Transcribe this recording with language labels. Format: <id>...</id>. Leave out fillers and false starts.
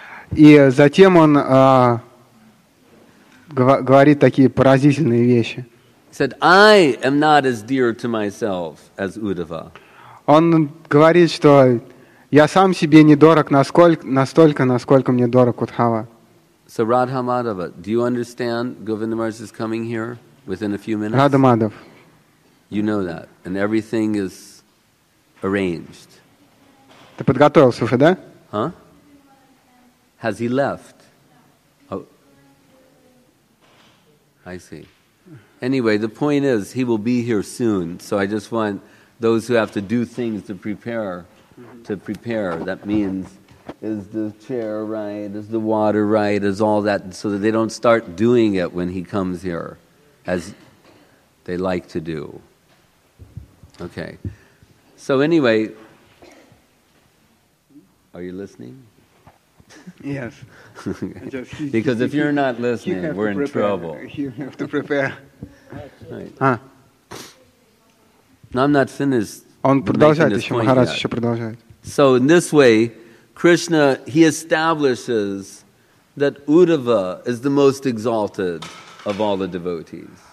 <ru>И затем он говорит такие поразительные вещи.</ru> <en>He said, I am not as dear to myself as Uddhava.</en> <ru>Он говорит, что я сам себе не дорог настолько, насколько мне дорог Удхава.</ru> <en>So Radha Madhava, do you understand Govinda Maharaj is coming here within a few minutes? Radha Madhava. You know that, and everything is arranged.</en> <ru>Ты подготовился уже, да?</ru> <en>Huh? Has he left? Oh. I see. Anyway, the point is, he will be here soon, so I just want those who have to do things to prepare... to prepare, that means is the chair right, is the water right, is all that, so that they don't start doing it when he comes here as they like to do. Okay, so anyway, are you listening? Yes. Because if you're not listening, you we're in trouble. You have to prepare. Right. Now I'm not finished.</en> <ru>Он продолжает еще, Махарадж еще продолжает.</ru> <en>So in this way, Krishna, he establishes that Uddhava is the most exalted of all the devotees.</en>